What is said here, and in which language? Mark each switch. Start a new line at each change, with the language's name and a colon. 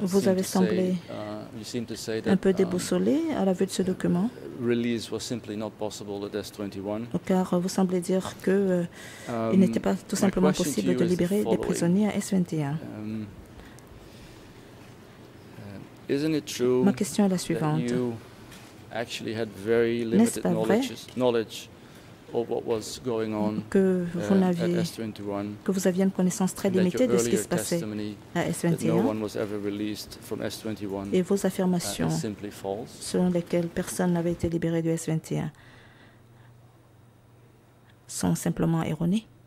French: Vous avez semblé un peu déboussolé à la vue de ce document.
English: Release was simply not possible at S21.
French: Car vous semblez dire que il n'était pas tout simplement possible de libérer des prisonniers à S21.
English: Isn't it true?
French: Ma question est la suivante.
English: You actually had very limited knowledge of what was going on.
French: Que vous n'aviez que vous aviez une connaissance très limitée de ce qui se passait à S21.
English: No one was ever released from S21.
French: Et vos affirmations selon lesquelles personne n'avait été libéré de S21 sont simplement erronées.